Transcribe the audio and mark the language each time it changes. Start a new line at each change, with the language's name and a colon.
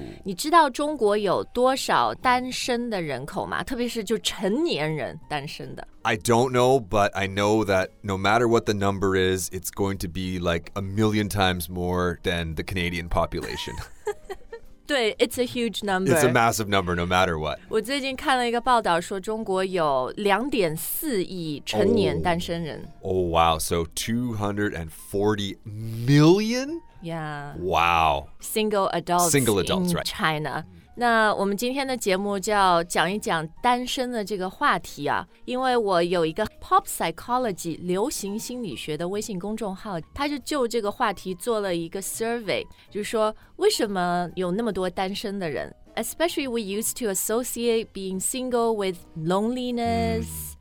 Chinese: 你知道中国有多少单身的人口吗？特别是就成年人单身的。
English: I don't know, but I know that no matter what the number is, it's going to be like a million times more than the Canadian population. 对 ，it's a huge number. It's a massive number, no matter what.
Chinese: 我最近看了一个报道，说中国有2.4亿成年单身人。
English: Oh wow, so 240 million? Yeah. Wow. Single adults, right?
Chinese: China. 那我们今天的节目就要讲一讲单身的这个话题啊，因为我有一个 Pop Psychology 流行心理学的微信公众号，他就这个话题做了一个 survey， 就是说为什么有那么多单身的人 ？
English: Especially we used to associate being single with loneliness.